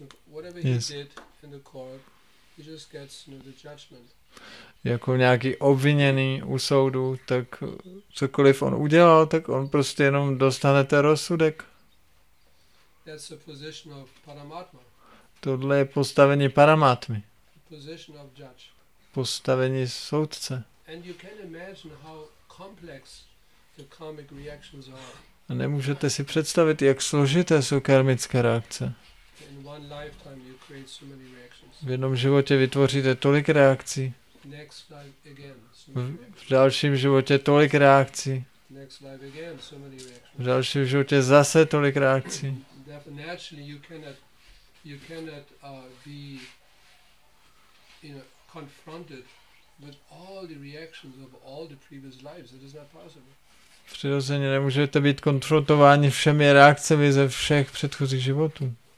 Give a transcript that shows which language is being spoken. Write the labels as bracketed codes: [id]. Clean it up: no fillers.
[en] Whatever he did in the court, he just gets the judgment. [cs] Jako nějaký obviněný u soudu, tak cokoliv on udělal, tak on prostě jenom dostane ten rozsudek. [en] That's the position of Paramatma. [cs] Tohle je postavení Paramatmy. [en] Position of judge. [cs] Postavení soudce. [en] And you can imagine how complex the karmic reactions are. [cs] A nemůžete si představit, jak složité jsou karmické reakce. [en] In one lifetime you create so many reactions. [cs] V jednom životě vytvoříte tolik reakcí. [en] Next life again, [cs] v dalším životě tolik reakcí. [en] Next life again, so many reactions. [cs] V dalším životě zase tolik reakcí. [en] Naturally you cannot be confronted with all the reactions of all the previous lives. It is not possible. [cs] Přirozeně nemůžete být konfrontováni všemi reakcemi ze všech předchozích životů.